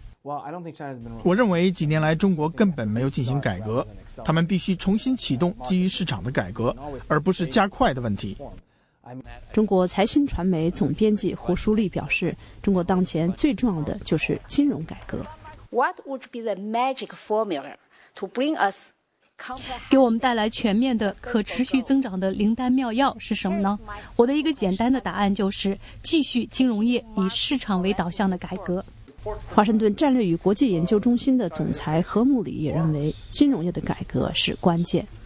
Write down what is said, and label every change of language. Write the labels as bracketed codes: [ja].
[zh] 我认为几年来中国根本没有进行改革，他们必须重新启动基于市场的改革，而不是加快的问题。中国财新传媒总编辑胡舒立表示，中国当前最重要的就是金融改革。 [en] What would be the magic formula to bring us？ [zh] 给我们带来全面的可持续增长的灵丹妙药是什么呢？我的一个简单的答案就是继续金融业以市场为导向的改革。华盛顿战略与国际研究中心的总裁何穆里也认为，金融业的改革是关键。